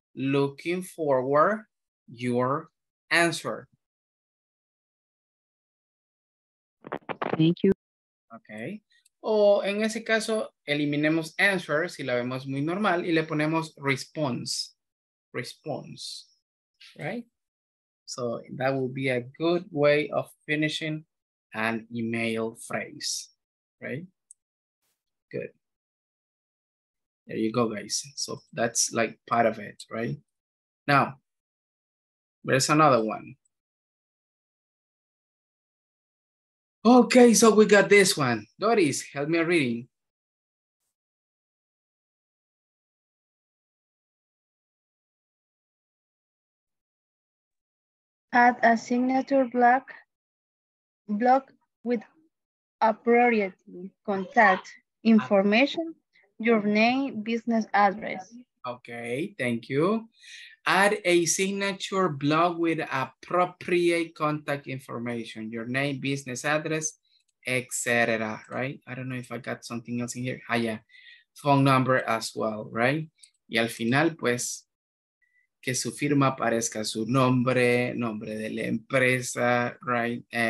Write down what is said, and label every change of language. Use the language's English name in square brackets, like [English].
[English] Looking forward your answer. Thank you. Okay. [Spanish] O en ese caso, eliminemos answer si la vemos muy normal y le ponemos response. [English] Response. Right? So that would be a good way of finishing an email phrase. Right? Good. There you go, guys. So that's like part of it, right? Now, there's another one. Okay, so we got this one. Doris, help me reading. add a signature block with appropriate contact information, your name, business address. Okay, thank you. Add a signature block with appropriate contact information, your name, business address, etc. Right? I don't know if I got something else in here. Ah, yeah. Phone number as well, right? [Spanish] Y al final, pues, que su firma aparezca su nombre, nombre de la empresa, right?